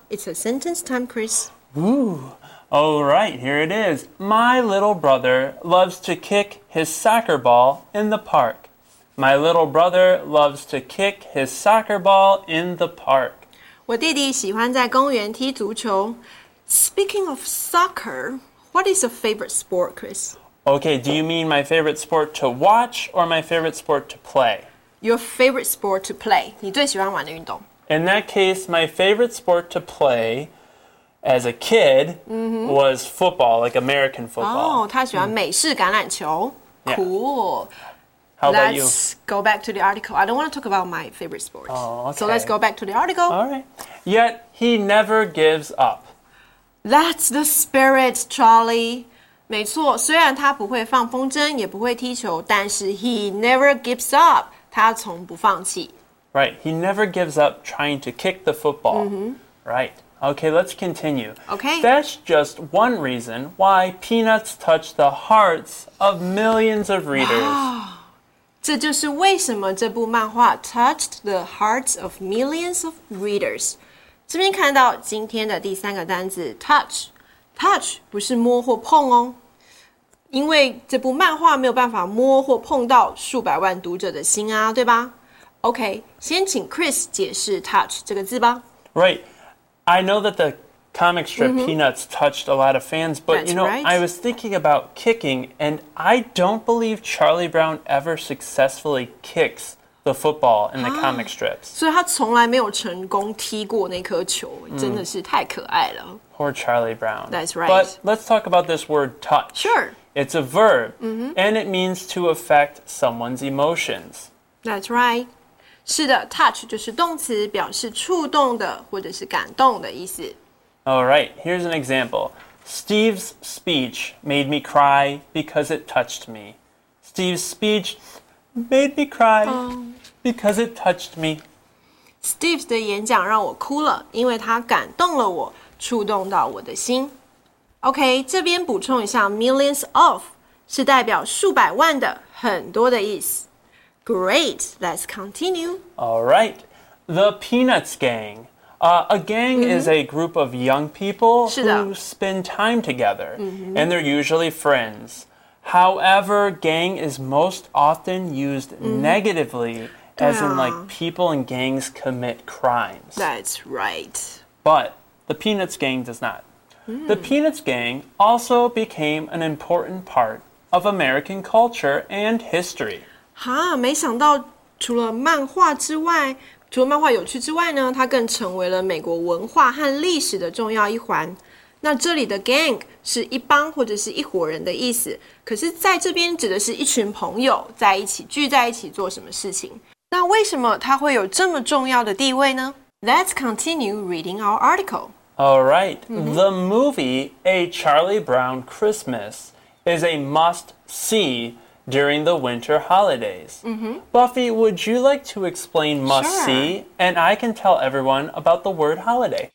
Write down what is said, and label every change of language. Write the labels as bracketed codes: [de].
[en] It's a sentence time, Chris. All right, here it is. My little brother loves to kick his soccer ball in the park. My little brother loves to kick his soccer ball in the park. [zh] 我弟弟喜欢在公园踢足球。 [en] Speaking of soccer, what is your favorite sport, Chris? Okay, do you mean my favorite sport to watch or my favorite sport to play? Your favorite sport to play. [zh] 你最喜欢玩的运动。 [en] In that case, my favorite sport to play as a kid was football, like American football. [zh] Oh, 他喜欢美式橄榄球。 [en] Yeah. Cool. How about you? Let's go back to the article. I don't want to talk about my favorite sport. Oh, okay. So let's go back to the article. All right. Yet, he never gives up. That's the spirit, Charlie. [zh] 没错，虽然他不会放风筝，也不会踢球，但是 [en] he never gives up， [zh] 他从不放弃。 [en] Right, he never gives up trying to kick the football.、Right. Okay, let's continue. Okay. That's just one reason why peanuts touch the hearts of millions of readers. Wow, [zh] 这就是为什么这部漫画 [en] touched the hearts of millions of readers. [zh] 这边看到今天的第三个单字 touch。Touch 不是摸或碰哦，因为这部漫画没有办法摸或碰到数百万读者的心啊，对吧 ？OK， 先请 Chris 解释 touch 这个字吧。 [en] Right, I know that the comic strip Peanuts touched a lot of fans, but、 That's、 you know,、 right. I was thinking about kicking, and I don't believe Charlie Brown ever successfully kicks the football in the comic strips. [zh] 所以他从来没有成功踢过那颗球，真的是太可爱了。 [en] Poor Charlie Brown. That's right. But let's talk about this word touch. Sure. It's a verb, and it means to affect someone's emotions. That's right. [zh] 是的 touch 就是动词，表示触动的或者是感动的意思。 [en] All right, here's an example. Steve's speech made me cry because it touched me. Steve's speech made me cry because it touched me. [zh] Steve's 的演讲让我哭了，因为他感动了我。触动到我的心。OK, 这边补充一下 millions of 是代表数百万的很多的意思。 [en] Great, let's continue. All right, the Peanuts Gang. A gang is a group of young people who spend time together, and they're usually friends. However, gang is most often used negatively, as in like people in gangs commit crimes. That's right. But,The Peanuts Gang does not. The Peanuts Gang also became an important part of American culture and history. [zh] 哈，没想到除了漫画之外，除了漫画有趣之外呢，它更成为了美国文化和历史的重要一环。那这里的 gang 是一帮或者是一伙人的意思，可是在这边指的是一群朋友在一起聚在一起做什么事情。那为什么它会有这么重要的地位呢？ [en] Let's continue reading our article. Alright,、mm-hmm. The movie A Charlie Brown Christmas is a must-see during the winter holidays.、 Mm-hmm. Buffy, would you like to explain must-see? Sure. And I can tell everyone about the word holiday.